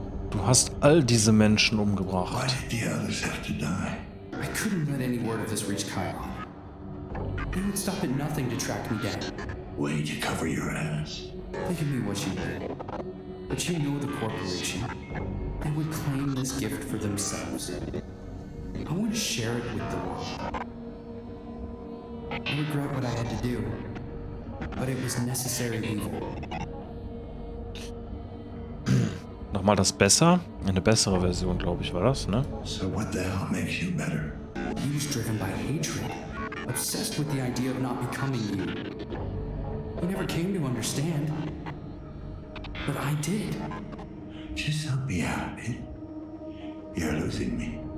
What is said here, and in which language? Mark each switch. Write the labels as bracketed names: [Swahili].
[German] Du hast all diese Menschen umgebracht. [English] Why did the others have to die? I couldn't let any word of this reach Kyle. They would stop at nothing to track me down. Way to cover your ass. Think of me what you did. But you know the corporation. They would claim this gift for themselves. I want to share it with the world. I regret what I had to do. But it was necessary evil. [German] Nochmal das besser? Eine bessere Version, glaube ich, war das, ne? [English] So what the hell makes you better? He was driven by hatred. Obsessed with the idea of not becoming you. He never came to understand. But I did. Just help me out, man. You're losing me.